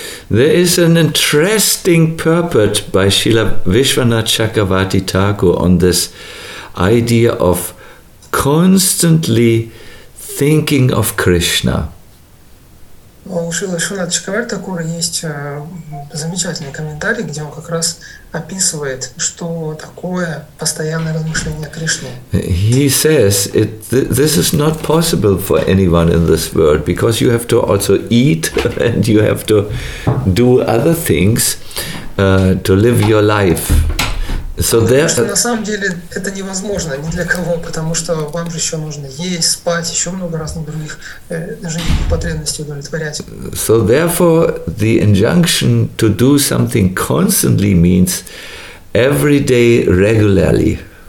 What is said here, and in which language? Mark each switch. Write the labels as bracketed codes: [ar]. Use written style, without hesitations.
[en] There is an interesting purport by Srila Vishwanath Chakravarti Thakur on this idea of constantly thinking of Krishna. [ru] У Шрилы Вишванатха Чакравартитакура есть замечательный комментарий, где он как раз описывает, что такое постоянное размышление о Кришне. [en] He says, it, this is not possible for anyone in this world, because you have to also eat and you have to do other things to live your life. So there, [ru] что на самом деле это невозможно ни для кого, потому что вам же еще нужно есть, спать, еще много разных других жизненных потребностей удовлетворять. [en] So therefore, the injunction to do something constantly means every day regularly.